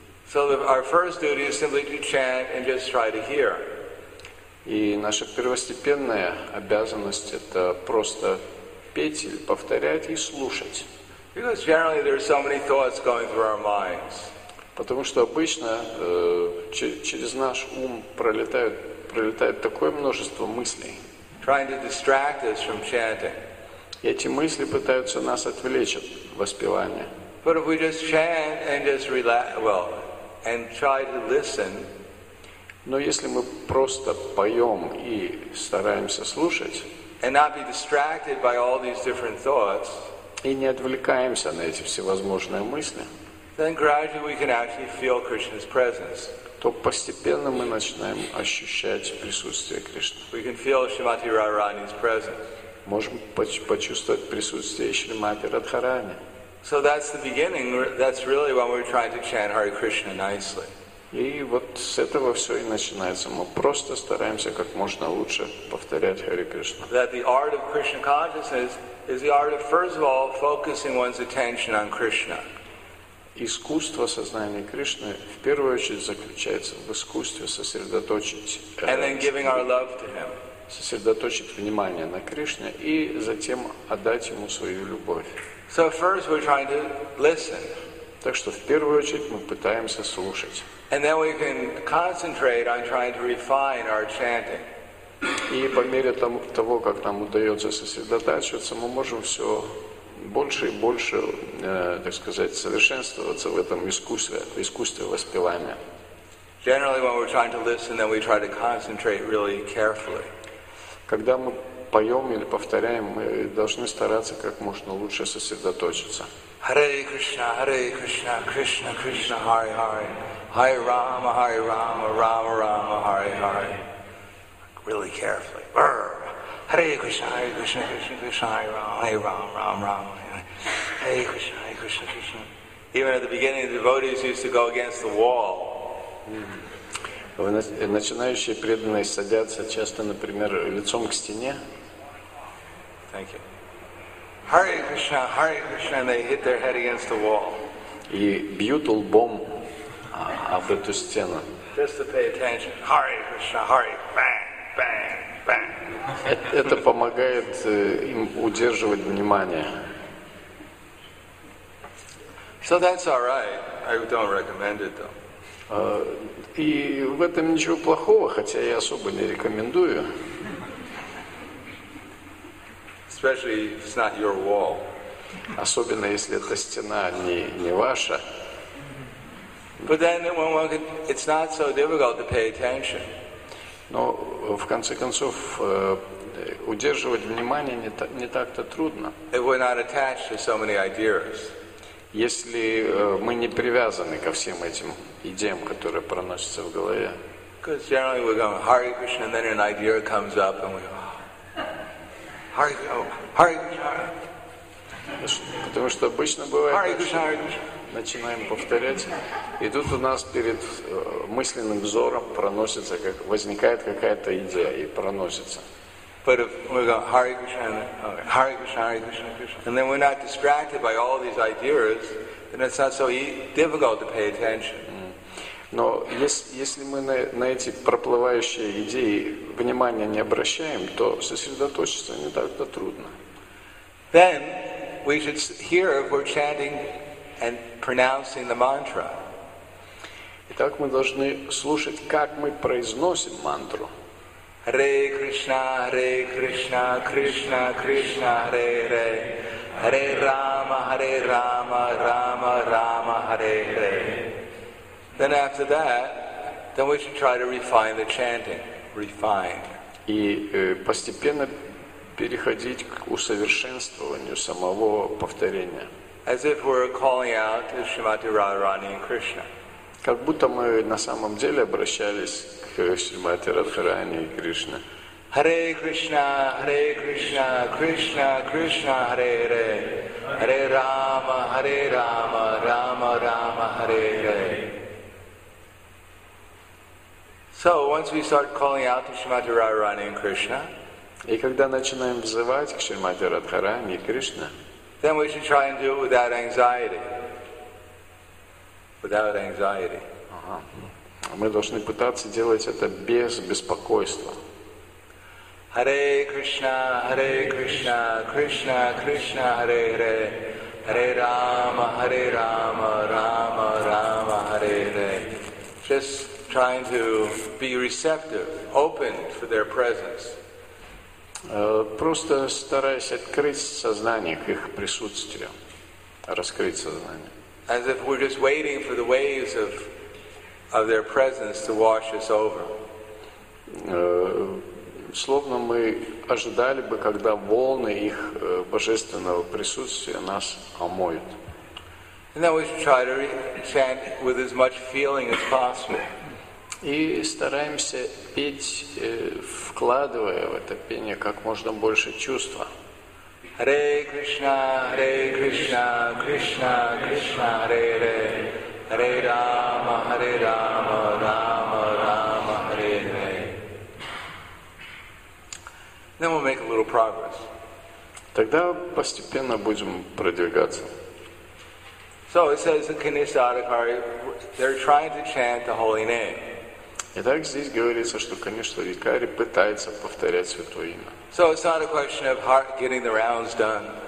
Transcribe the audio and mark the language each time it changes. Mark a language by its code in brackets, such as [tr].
[en] So our first duty is simply to chant and just try to hear. [ru] И наша первостепенная обязанность это просто петь или повторять и слушать. [en] Because generally there are so many thoughts going through our minds. [ru] Потому что обычно через наш ум пролетает такое множество мыслей. [en] Trying to distract us from chanting. [ru] Эти мысли пытаются нас отвлечь от воспевания. [en] But if we just chant and just relax, well, and try to listen. [ru] Но если мы просто поем и стараемся слушать. [en] And not be distracted by all these different thoughts. [ru] И не отвлекаемся на эти всевозможные мысли, [en] then gradually we can actually feel Krishna's presence. [ru] То постепенно мы начинаем ощущать присутствие Кришны. [en] We can feel Shrimati Radharani's presence. [ru] Можем почувствовать присутствие Шримати Радхарани. [en] So that's the beginning, that's really when we're trying to chant Hare Krishna nicely. [ru] И вот с этого все и начинается. Мы просто стараемся как можно лучше повторять Харе Кришну. [en] That the art of Krishna consciousness is the art of, first of all, focusing one's attention on Krishna. [ru] Искусство сознания Кришны в первую очередь заключается в искусстве сосредоточить. [en] And then giving our love to him. [ru] Сосредоточить внимание на Кришне и затем отдать ему свою любовь. [en] So first we're trying to listen. [ru] Так что в первую очередь мы пытаемся слушать. [en] And then we can concentrate on trying to refine our chanting. [ru] И по мере того, как нам удается сосредотачиваться, мы можем все больше и больше, так сказать, совершенствоваться в этом искусстве, в искусстве воспевания. [en] Generally, when we're trying to listen, then we try to concentrate really carefully. [ru] Когда мы поем или повторяем, мы должны стараться как можно лучше сосредоточиться. [sa] Hare Krishna, Krishna Krishna, Hare Hare. Hare Rama, Rama Rama, Hare Hare. [en] Really carefully. [sa] Brr. Hare Krishna, Hare Krishna, Krishna Krishna, Hare Rama, Hare Rama, Rama Rama. Hare Krishna, Hare Krishna, Krishna. [en] Even at the beginning, the devotees used to go against the wall. [ru] Начинающие преданные садятся часто, например, лицом к стене. [en] Thank you. [sa] Hare Krishna, Hare Krishna, [en] and they hit their head against the wall. [ru] И бьют лбом об эту стену. [en] Just to pay attention. [sa] Hare Krishna, Hare, [en] bang, bang, bang. [ru] Это помогает им удерживать внимание. [en] So that's all right. I don't recommend it, though. [ru] И в этом ничего плохого, хотя я особо не рекомендую. [en] Especially if it's not your wall. [ru] Особенно если эта стена не ваша. [en] But then when one can, it's not so difficult to pay attention. [ru] Но в конце концов удерживать внимание не так-то трудно. [en] If we're not attached to so many ideas. [ru] Если мы не привязаны ко всем этим идеям, которые проносятся в голове. [en] Because generally we're going Hare Krishna, and then an idea comes up, and we go [sa] Hare Krishna, Hare Krishna. [ru] Потому что обычно бывает. [sa] Hare Krishna, Hare Krishna. [ru] Начинаем повторять, и тут у нас перед мысленным взором проносится, как возникает какая-то идея и проносится. [en] But if we go Hare Krishna, okay, [sa] Hare Krishna, Hare Krishna, Krishna, [en] and then we're not distracted by all these ideas, then it's not so difficult to pay attention. [ru] Но если мы на эти проплывающие идеи внимания не обращаем, то сосредоточиться не так-то трудно. [en] Then we should hear if we're chanting and pronouncing the mantra. [ru] Итак, мы должны слушать, как мы произносим мантру. [sa] Hare Krishna, Krishna, Krishna, Hare Hare. Hare Rama, Rama, Rama, Hare Hare. [en] Then after that, then we should try to refine the chanting. Refine. [ru] И постепенно переходить к усовершенствованию самого повторения. [en] As if we're calling out to Shrimati Radharani and Krishna. [ru] Как будто мы на самом деле обращались к Шримати Радхарани и Кришне. [sa] Hare Krishna, Hare Krishna, Krishna, Krishna, Hare Hare. Hare Rama, Hare Rama, Rama, Rama, Hare Hare. [en] So once we start calling out to Shrimati Radharani and Krishna, [ru] и когда начинаем взывать к Шримати Радхарани и Кришне, [en] then we should try and do it without anxiety. Without anxiety. [ru] Мы должны пытаться делать это без беспокойства. [sa] Hare Krishna, Hare Krishna, Krishna, Krishna, Hare Hare. Hare Rama, Hare Rama, Rama, Rama, Hare Hare. [en] Just trying to be receptive, open for their presence. [ru] Просто стараясь открыть сознание к их присутствию, раскрыть сознание. [en] As if we're just waiting for the waves of their presence to wash us over. [ru] Словно мы ожидали бы, когда волны их божественного присутствия нас омоют. [en] And then we should try to chant with as much feeling as possible. [ru] И стараемся петь, вкладывая в это пение как можно больше чувства. [sa] Hare Krishna, Hare Krishna, Krishna, Krishna, Hare Hare. Hare Rama, Hare Rama, Rama, Rama, Hare Hare. [en] Then we'll make a little progress. [ru] Тогда постепенно будем продвигаться. [en] So it says in Kanishtha Adhikari, they're trying to chant the holy name. [ru] Итак, здесь говорится, что, конечно, Адхикари пытается повторять святое имя. [en] So it's not a question of getting the rounds done.